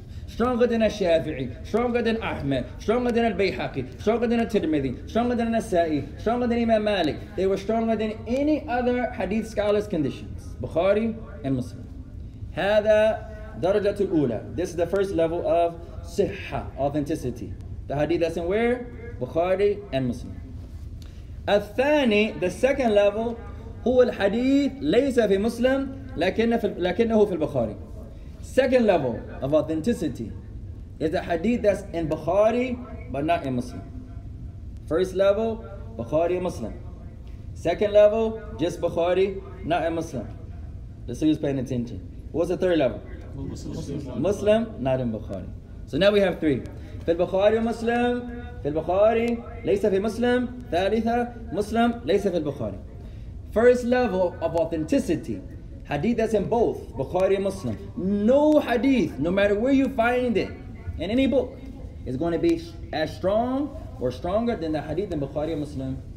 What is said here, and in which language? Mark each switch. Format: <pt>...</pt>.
<en>Stronger than a Shafi'i, stronger than Ahmed, stronger than al-Bayhaqi, stronger than al-Tirmidhi, stronger than al-Nasa'i, stronger than Imam Malik. They were stronger than any other hadith scholar's conditions, Bukhari and Muslim.</en> <ar>هذا درجة الأولى.</ar> <en>This is the first level of صحة, authenticity. The hadith that's in where? Bukhari and Muslim.</en> <ar>الثاني,</ar> <en>the second level,</en> <ar>هو الحديث ليس في مسلم لكنه في البخاري.</ar> <en>Second level of authenticity is the hadith that's in Bukhari but not in Muslim. First level, Bukhari and Muslim. Second level, just Bukhari, not in Muslim. Let's see who's paying attention. What's the third level? Muslim, not in Bukhari. So now we have three.</en> <ar>في البخاري مسلم في البخاري ليس في مسلم ثالثة مسلم ليس في البخاري.</ar> <en>First level of authenticity, hadith that's in both Bukhari and Muslim. No hadith, no matter where you find it in any book, is going to be as strong or stronger than the hadith in Bukhari and Muslim.</en>